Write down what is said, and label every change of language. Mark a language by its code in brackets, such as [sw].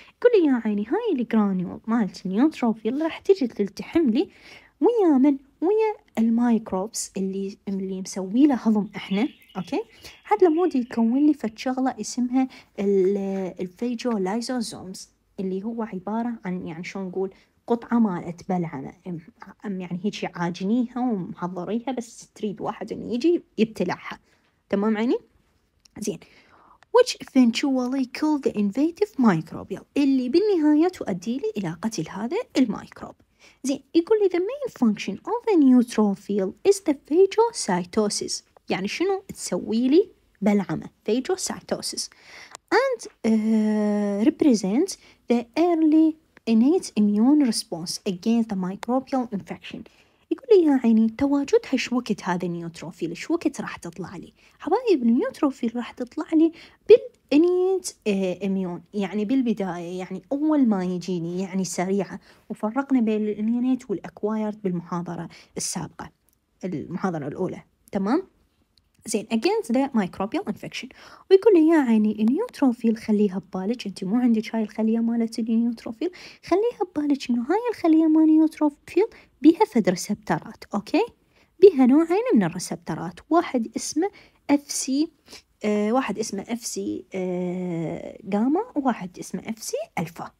[ar] يقول لي يا عيني هاي الجرانيول مالت النيوتروفيل راح تجي تلتحم لي ويا من؟ ويا المايكروبس اللي مسوي له هضم احنا، اوكي؟ هذا المود يكون لي فد شغله اسمها الفيجو لايزوزومز اللي هو عباره عن يعني شو نقول قطعه مالت بلعمه، يعني هيك عاجنيها ومحضريها بس تريد واحد انه يجي يبتلعها. تمام عيني؟ زين. [en] Which eventually kill the invasive microbial [ar] اللي بالنهايه تؤدي لي الى قتل هذا المايكروب. زين يقول لي [en] the main function of the neutrophil is the phagocytosis، [ar] يعني شنو تسوي لي بلعمة [en] phagocytosis and represents the early innate immune response against the microbial infection. [ar] يقول لي يا عيني تواجدها شو وقت هذا النيوتروفيل شو وقت راح تطلع لي؟ حبايب النيوتروفيل راح تطلع لي بالانيت اميون، يعني بالبدايه يعني اول ما يجيني يعني سريعه، وفرقنا بين الانيت والاكوايرد بالمحاضره السابقه المحاضره الاولى. تمام زين [en] against the microbial infection. [ar] ويقول لي يا عيني النيوتروفيل خليها ببالك، انت مو عندك هاي الخليه مالت النيوتروفيل، خليها ببالك انه هاي الخليه مال النيوتروفيل بها فد ريسبترات، اوكي؟ بها نوعين من الريسبترات، واحد اسمه اف سي واحد اسمه اف سي جاما وواحد اسمه اف سي الفا.